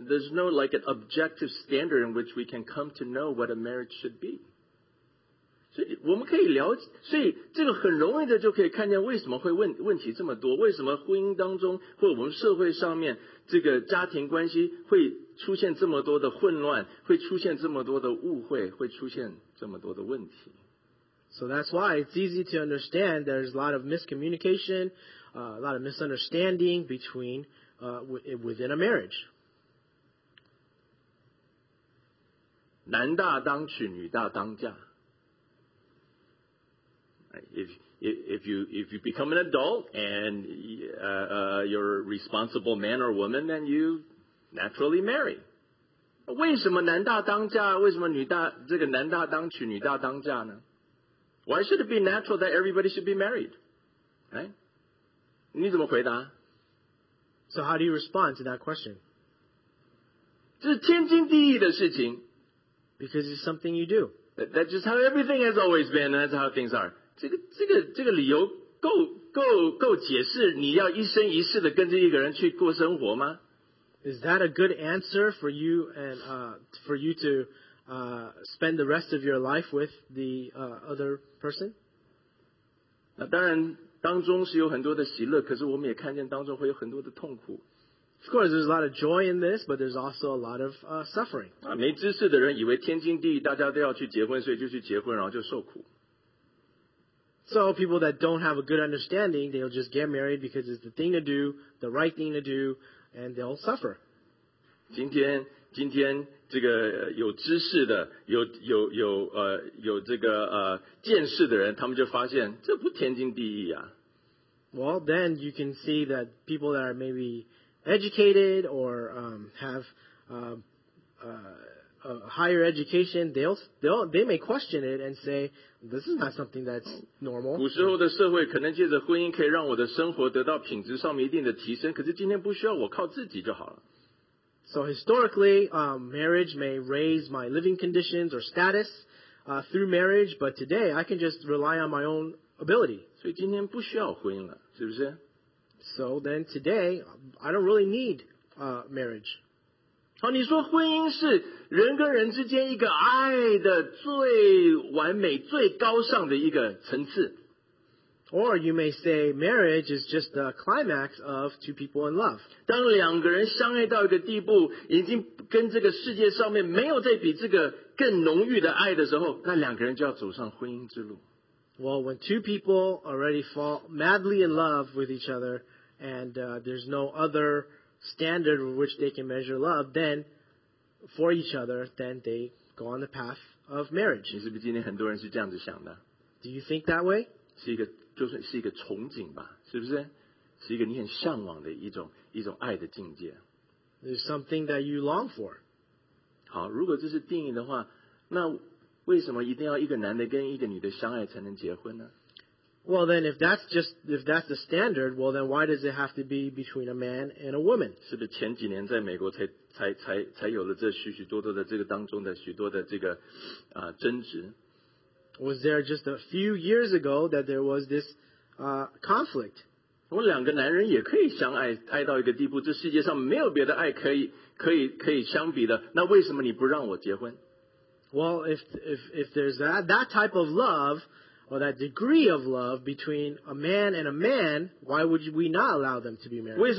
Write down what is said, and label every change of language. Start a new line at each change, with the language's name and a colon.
English: There's no like an objective standard in which we can come to know what a marriage should be.
Chinese: 所以我们可以了解，所以这个很容易的就可以看见为什么会问题这么多，为什么婚姻当中或我们社会上面这个家庭关系会出现这么多的混乱，会出现这么多的误会，会出现这么多的问题。
English: So that's why it's easy to understand there's a lot of miscommunication, a lot of misunderstanding between within a marriage.
Chinese: 男大当娶，女大当嫁。
English: If you become an adult and you're a responsible man or woman, then you naturally marry.
Chinese: 为什么男大当嫁？为什么女大这个男大当娶，女大当嫁呢？
English: Why should it be natural that everybody should be married?
Chinese: Right? 你怎么回答？
English: So how do you respond to that question?
Chinese: 这是天经地义的事情。
English: Because it's something you do. That's just how everything has always been. That's how things are.
Chinese: 这个理由够解释你要一生一世的跟着一个人去过生活吗？
English: Is that a good answer for you and for you to spend the rest of your life with the other person?
Chinese: 那当然当中是有很多的喜乐，可是我们也看见当中会有很多的痛苦。
English: Of course, there's a lot of joy in this, but there's also a lot of suffering.
Chinese: 没知识的人以为天经地义，大家都要去结婚，所以就去结婚，然后就受苦。
English: So people that don't have a good understanding, they'll just get married because it's the thing to do, the right thing to do, and they'll suffer.
Chinese: 今天这个有知识的，有这个见识的人，他们就发现这不天经地义啊。
English: Well, then you can see that people that are maybe educated or have a higher education, they may question it and say, this is not something that's normal.
Chinese: 古时候的社会可能借着婚姻可以让我的生活得到品质上面一定的提升，可是今天不需要，我靠自己就好了。
English: So historically, marriage may raise my living conditions or status through marriage, but today I can just rely on my own ability.
Chinese: 所以今天不需要婚姻了，是不是？
English: So then today, I don't really need marriage.
Chinese: 好，你说婚姻是人跟人之间一个爱的最完美、最高尚的一个层次。
English: Or you may say marriage is just the climax of two people in love.
Chinese: 当两个人相爱到一个地步，已经跟这个世界上面没有再比这个更浓郁的爱的时候，那两个人就要走上婚姻之路。Well,
English: when two people already fall madly in love with each other, and there's no other standard which they can measure love, then for each other, then they go on the path of marriage.
Chinese: 你是不是今天很多人是这样子想的？
English: Do you think that way?
Chinese: 是一个，就是是一个憧憬吧，是不是？是一个你很向往的一种爱的境界。
English: It's something that you long for.
Chinese: 好，如果这是定义的话， 那为什么一定要一个男的跟一个女的相爱才能结婚呢？
English: Well then, if that's the standard, well then why does it have to be between a man and a woman?
Chinese: 是不是前几年在美国才有了这许许多多的这个当中的许多的这个争执？
English: Was there just a few years ago that there was this conflict?
Chinese: 我两个男人也可以相爱，爱到一个地步，这世界上没有别的爱可以相比的。那为什么你不让我结婚？
English: Well, if there's that type of love or that degree of love between a man and a man, why would we not allow them to be married?